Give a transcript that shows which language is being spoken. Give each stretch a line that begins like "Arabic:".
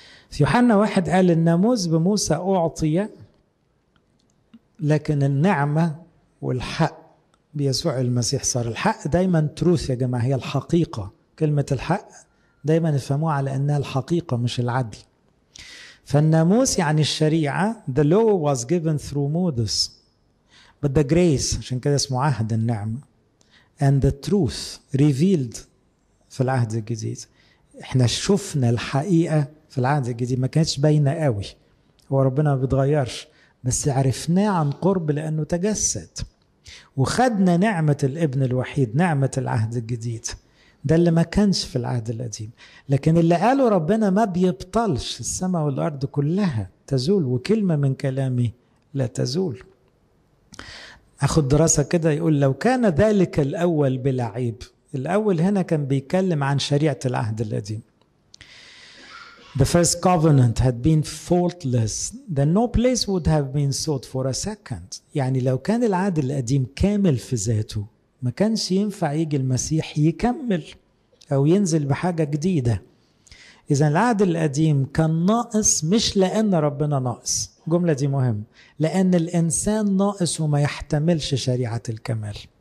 Arabic: في يوحنا 1 قال الناموس بموسى أعطي، لكن النعمة والحق بيسوع المسيح صار. الحق دايما تروث يا جماعة، هي الحقيقة. كلمة الحق دايما نفهموها على أنها الحقيقة مش العدل. فالناموس يعني الشريعة،
English: the law was given through Moses but the grace،
Arabic: عشان كده اسمه عهد النعمة،
English: and the truth revealed
Arabic: في العهد الجديد. احنا شفنا الحقيقة في العهد الجديد، ما كانتش باينة قوي، هو ربنا ما بيتغيرش، بس عرفناه عن قرب لأنه تجسد، وخدنا نعمة الابن الوحيد، نعمة العهد الجديد. ده اللي ما كانش في العهد القديم. لكن اللي قاله ربنا ما بيبطلش، السماء والأرض كلها تزول وكلمة من كلامي لا تزول. أخذ دراسة كده، يقول لو كان ذلك الأول بلا عيب. الأول هنا كان بيكلم عن شريعة العهد القديم.
English: The first covenant had been faultless, then no place would have been sought for a second.
Arabic: يعني لو كان العهد القديم كامل في ذاته ما كانش ينفع يجي المسيح يكمل أو ينزل بحاجة جديدة. إذا العهد القديم كان ناقص، مش لأن ربنا ناقص، الجملة دي مهم، لأن الإنسان ناقص وما يحتملش شريعة الكمال.